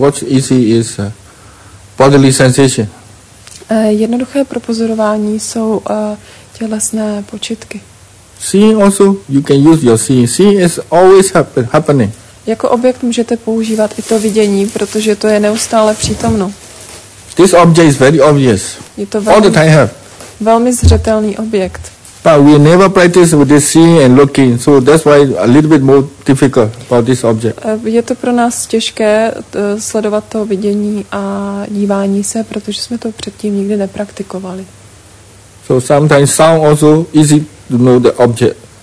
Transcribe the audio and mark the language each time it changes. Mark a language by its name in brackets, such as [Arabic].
[English] Easy is bodily sensation. [Czech] Jednoduché pro pozorování jsou tělesné počitky. [English] Seeing also, you can use your seeing. Seeing is always happening. [Czech] Jako objekt můžete používat i to vidění, protože to je neustále přítomno. [English] This object is very obvious. [Czech] Je to velmi, [English] all the time have. [Czech] Velmi zřetelný objekt. [English] But we never practice with this seeing and looking, so that's why a little bit more difficult about this object. [Czech] Je to pro nás těžké sledovat to vidění a dívání se, protože jsme to předtím nikdy nepraktikovali. [English] So sometimes sound also easy to know the object.